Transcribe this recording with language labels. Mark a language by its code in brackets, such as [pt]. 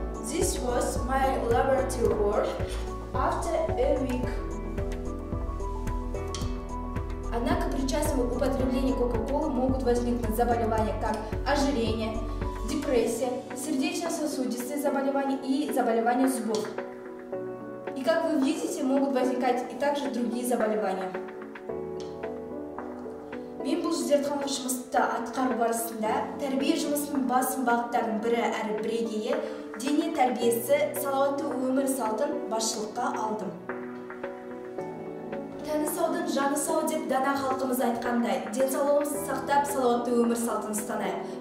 [en] This was my laboratory work after a week. [ru] Однако при частом употреблении Кока-Колы могут возникнуть заболевания, как ожирение, депрессия, сердечно-сосудистые заболевания и заболевания зубов. И как вы видите, могут возникать и также другие заболевания. [kk] Мен бұл зертханалық жұмысты атқару барысында тәрбие жұмысының басым бағыттарының бірі әрі бірегейі дене тәрбиесі салауатты өмір салтын басшылыққа алдым. Тәні саудың жаны сау деп дана халқымыз айтқандай, денсаулығымызды сақтап салауатты өмір салтын ұстанайық.